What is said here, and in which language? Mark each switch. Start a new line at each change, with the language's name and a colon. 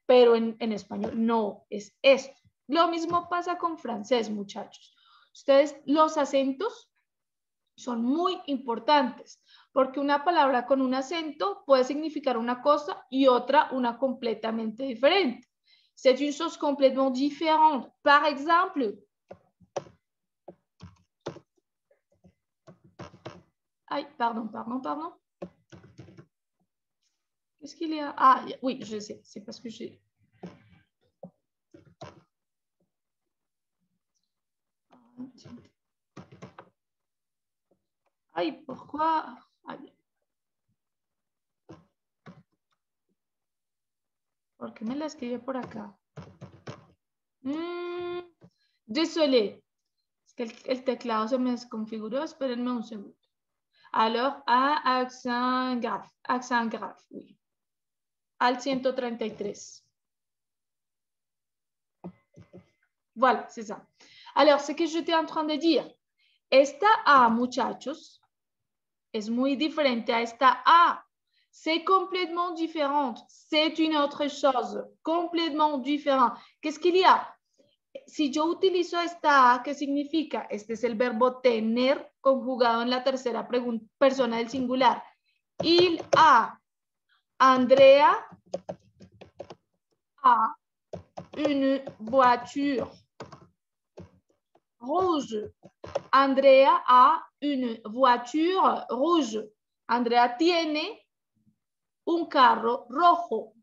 Spanish: Pero en español no es esto. Lo mismo pasa con francés, muchachos. Ustedes, los acentos son muy importantes, porque una palabra con un acento puede significar una cosa y otra una completamente diferente.
French: C'est une chose complètement différente. Par exemple, ay, pardon. Qu'est-ce qu'il y a? Ah, oui, je sais, c'est parce que j'ai... Ay, pourquoi? Ay.
Spanish: ¿Por qué me la escribí por acá? Désolé. Es que el teclado se me desconfiguró. Espérenme un segundo.
French: Alors, accent grave, oui.
Spanish: Al 133.
French: Voilà, c'est ça. Alors, ce que j'étais en train de dire.
Spanish: Esta A, muchachos. Es muy diferente a esta A.
French: C'est complètement différente. C'est une autre chose. Complètement différent. Qu'est-ce qu'il y a?
Spanish: si yo utilizo esta A, ¿qué significa? Este es el verbo tener conjugado en la tercera persona del singular.
French: Il a, Andrea a une voiture. Rouge. Andrea a une voiture rouge.
Spanish: Andrea tiene un carro rojo.